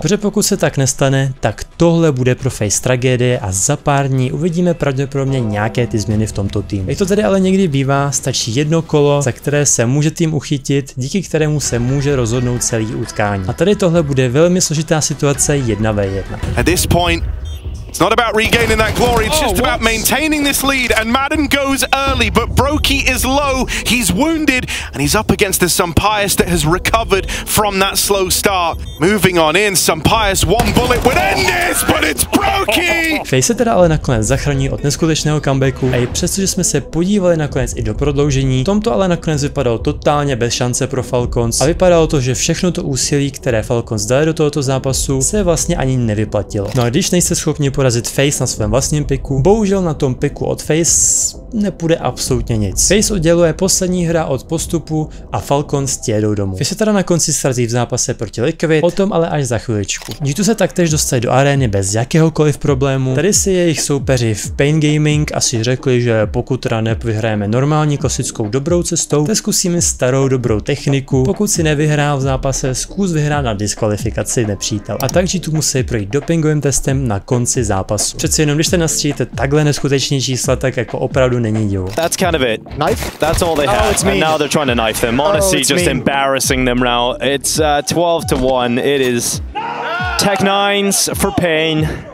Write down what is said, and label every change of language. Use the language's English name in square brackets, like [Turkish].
[Czech] Protože pokud se tak nestane, tak tohle bude pro Fej tragédie a za pár dní uvidíme pravděpodobně nějaké ty změny v tomto týmu. Jak to tady ale někdy bývá, stačí jedno kolo, za které se může tým uchytit, díky kterému se může rozhodnout celý utkání. A tady tohle bude velmi složitá situace 1v1. [English] At this point, it's not about regaining that glory, it's just about maintaining this lead and Madden goes early, but Brokey is low, he's wounded and he's up against the Sampaius that has recovered from that slow start. Moving on in, Sampaius one bullet would end this, but it's Brokey! [Czech] FaZe se teda ale nakonec zachrání od neskutečného comebacku a i přesto, že jsme se podívali nakonec i do prodloužení, v tomto ale nakonec vypadalo totálně bez šance pro Falcons a vypadalo to, že všechno to úsilí, které Falcons dali do tohoto zápasu, se vlastně ani nevyplatilo. No a když nejste schopni porazit FaZe na svém vlastním piku. Bohužel na tom piku od FaZe nepůjde absolutně nic. FaZe odděluje poslední hra od postupu a Falcons tě jedou domů. FaZe se teda na konci srazí v zápase proti Liquid, potom ale až za chviličku. G2 se taktéž dostali do arény bez jakéhokoliv problému. Tady si jejich soupeři v Pain Gaming asi řekli, že pokud Runep vyhrajeme normální klasickou dobrou cestou, tak zkusíme starou dobrou techniku. Pokud si nevyhrál v zápase, zkus vyhrát na diskvalifikaci nepřítel. A tak G2 musí projít dopingovým testem na konci zápasu. Přeci jenom, když se nastříjete takhle neskutečné čísla, tak jako opravdu. [English] That's kind of it. Knife? That's all they have. And now they're trying to knife them. Honestly, just embarrassing them now. It's 12-1. It is Tech Nines for Pain.